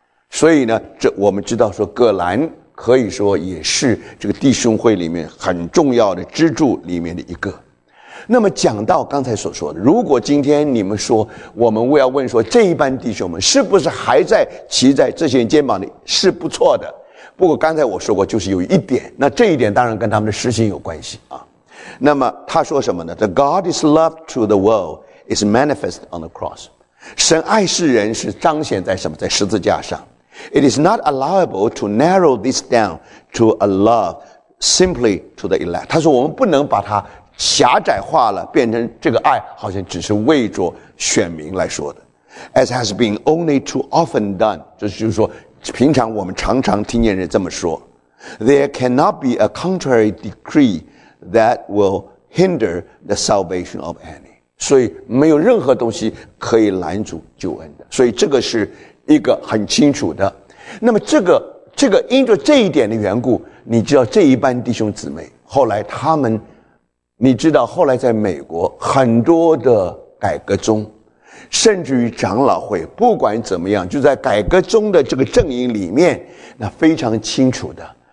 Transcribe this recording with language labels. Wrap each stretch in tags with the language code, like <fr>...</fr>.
<zh>所以呢，这我们知道说葛兰可以说也是这个弟兄会里面很重要的支柱里面的一个。那么讲到刚才所说的，如果今天你们说，我们要问说这一班弟兄们是不是还在骑在这些人肩膀里，是不错的。不过刚才我说过，就是有一点，那这一点当然跟他们的实行有关系啊。那么他说什么呢？</zh> <en>The God is love to the world is manifest on the cross.</en> <zh>神爱世人是彰显在什么？在十字架上。</zh> <en>It is not allowable to narrow this down to a love simply to the elect.</en> <zh>他说我们不能把它狭窄化了，变成这个爱好像只是为着选民来说的。</zh> <en>As has been only too often done.</en> <zh>就是说平常我们常常听见人这么说。</zh> <en>There cannot be a contrary decree that will hinder the salvation of any.</en> <zh>所以没有任何东西可以拦阻救恩的。所以这个是一个很清楚的。那么这个因着这一点的缘故，你知道这一班弟兄姊妹后来他们，你知道后来在美国很多的改革中，甚至于长老会不管怎么样，就在改革中的这个阵营里面，那非常清楚的，</zh>